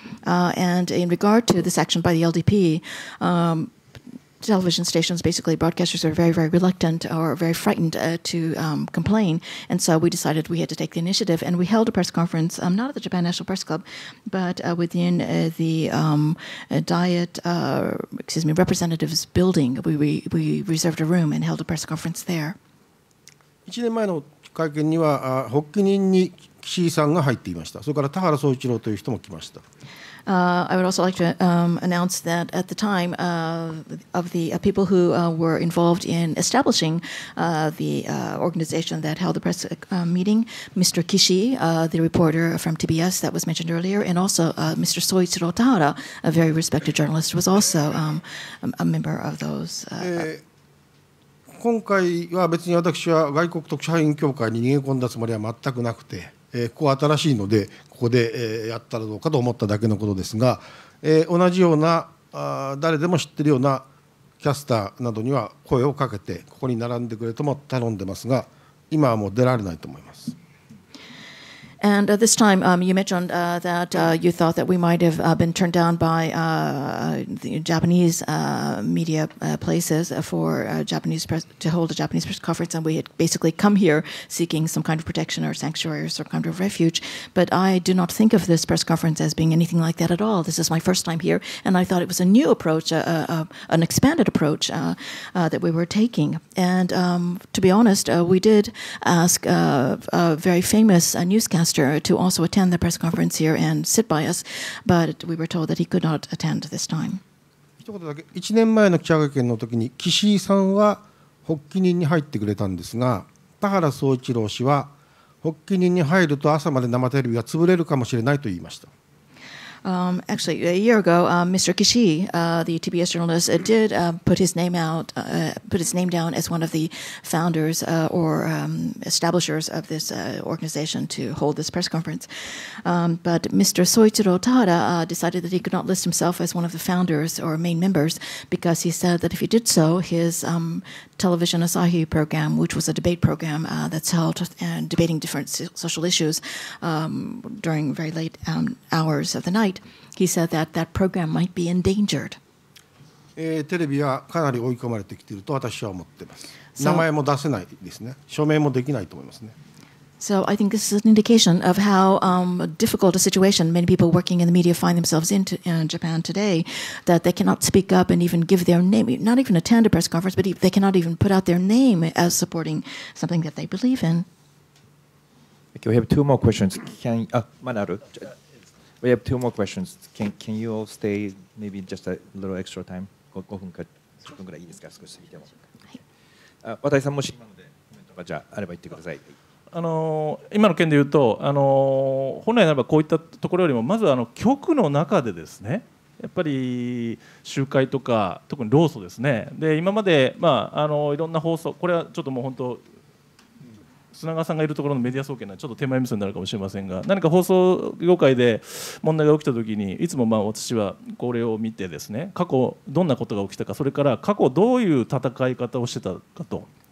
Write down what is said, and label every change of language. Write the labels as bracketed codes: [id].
[en] And in regard to this action by the LDP, television stations, basically broadcasters, are very, very reluctant or very frightened to complain. And so we decided we had to take the initiative. And we held a press conference, not at the Japan National Press Club, but within the Diet, excuse me, Representatives Building. We reserved a room and held a press conference there. [ja] 1年前の会見には、発起人に岸井さんが入っていました。それから田原総一郎という人も来ました。 [en] I would also like to announce that at the time of the people who were involved in establishing the organization that held the press meeting, Mr. Kishi, the reporter from TBS that was mentioned earlier, and also Mr. Soichiro Tahara, a very respected journalist, was also a member of those. [ja] 今回は別に私は外国特派員協会に逃げ込んだつもりは全くなくて、ここは新しいのでここでやったらどうかと思っただけのことですが、同じような誰でも知っているようなキャスターなどには声をかけてここに並んでくれとも頼んでますが、今はもう出られないと思います。 [en] And this time, you mentioned that you thought that we might have been turned down by the Japanese media places for Japanese press, to hold a Japanese press conference, and we had basically come here seeking some kind of protection or sanctuary or some kind of refuge. But I do not think of this press conference as being anything like that at all. This is my first time here, and I thought it was a new approach, an expanded approach that we were taking. And to be honest, we did ask a very famous newscaster to also attend the press conference here and sit by us, but we were told that he could not attend this time. [ja] 一言だけ、1年前の記者会見の時に岸井さんは発起人に入ってくれたんですが、田原総一郎氏は発起人に入ると朝まで生テレビが潰れるかもしれないと言いました。 [en] Actually, a year ago, Mr. Kishi, the TBS journalist, did put his name out, put his name down as one of the founders or establishers of this organization to hold this press conference. But Mr. Soichiro Tahara decided that he could not list himself as one of the founders or main members because he said that if he did so, his television Asahi program, which was a debate program that's held and debating different social issues during very late hours of the night, he said that that program might be endangered. [ja] テレビはかなり追い込まれてきていると私は思っています。名前も出せないですね。署名もできないと思いますね。 [en] So I think this is an indication of how difficult a situation many people working in the media find themselves in Japan today, that they cannot speak up and even give their name, not even attend a press conference, but they cannot even put out their name as supporting something that they believe in. Okay, we have two more questions. Can Manaru? We have two more questions. Can you all stay maybe just a little extra time? [ja] 5分か10分ぐらいいいですか、少し過ぎても。渡井さんもし今のでコメントがじゃああれば言ってください。今の件で言うと、本来ならばこういったところよりもまずは局の中でですね、やっぱり集会とか特に労組ですね、で今までまあいろんな放送、これはちょっともう本当砂川さんがいるところのメディア総研はちょっと手前味噌になるかもしれませんが、何か放送業界で問題が起きたときにいつもまあ私はこれを見てですね、過去どんなことが起きたか、それから過去どういう戦い方をしてたかと